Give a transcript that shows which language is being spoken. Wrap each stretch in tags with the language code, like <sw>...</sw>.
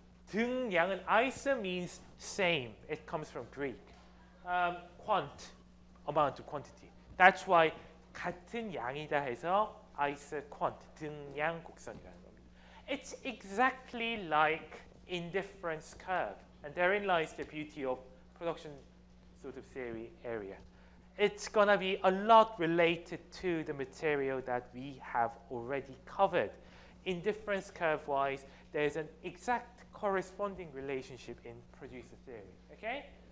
<en>등향은 iso means same. It comes from Greek. Quant, amount of quantity. That's why</en> <ko>같은 양이다 해서 isoquant, 등향곡선이라는 겁니다.</ko> <en>It's exactly like indifference curve. And therein lies the beauty of production sort of theory area. It's going to be a lot related to the material that we have already covered. Indifference curve-wise, there's an exact corresponding relationship in producer theory. Okay?</en>